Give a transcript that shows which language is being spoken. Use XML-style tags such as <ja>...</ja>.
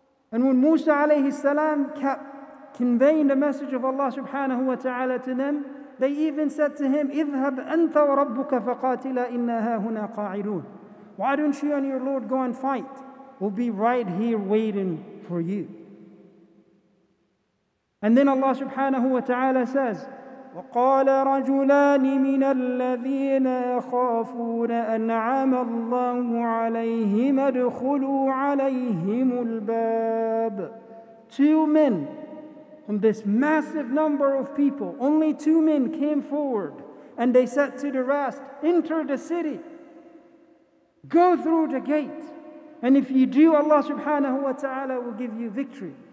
<en>And when Musa alayhi salam kept conveying the message of Allah subhanahu wa ta'ala to them, they even said to him,</en> <ar>اذهب أنت وربك فقاتلا إنا هاهنا قاعدون.</ar> <en>Why don't you and your Lord go and fight? We'll be right here waiting for you. And then Allah subhanahu wa ta'ala says,</en> <ar>وَقَالَ رَجُلَانِ مِنَ الَّذِينَ يَخَافُونَ أَنْعَمَ اللَّهُ عَلَيْهِمَ ادْخُلُوا عَلَيْهِمُ الْبَابِ.</ar> <en>Two men from this massive number of people, only two men came forward, and they said to the rest, enter the city. Go through the gate. And if you do, Allah subhanahu wa ta'ala will give you victory.</en>